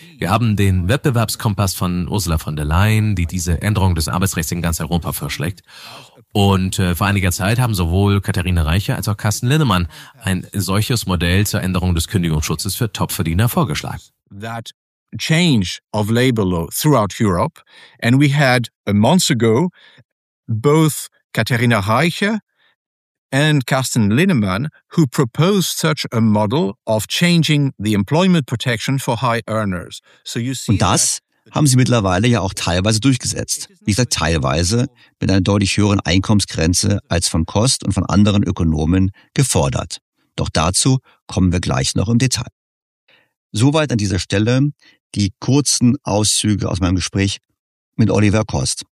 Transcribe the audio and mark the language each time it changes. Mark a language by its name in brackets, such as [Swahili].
[German] Wir haben den Wettbewerbskompass von Ursula von der Leyen, die diese Änderung des Arbeitsrechts in ganz Europa vorschlägt. Und vor einiger Zeit haben sowohl Katharina Reicher als auch Carsten Linnemann ein solches Modell zur Änderung des Kündigungsschutzes für Topverdiener vorgeschlagen. [English] That change of labor law throughout Europe. And we had a month ago both Katharina Reicher and Carsten Linnemann, who proposed such a model of changing the employment protection for high earners. So you see. [German] Und das haben sie mittlerweile ja auch teilweise durchgesetzt. Wie gesagt, teilweise mit einer deutlich höheren Einkommensgrenze als von Kost und von anderen Ökonomen gefordert. Doch dazu kommen wir gleich noch im Detail. Soweit an dieser Stelle die kurzen Auszüge aus meinem Gespräch mit Oliver Kost.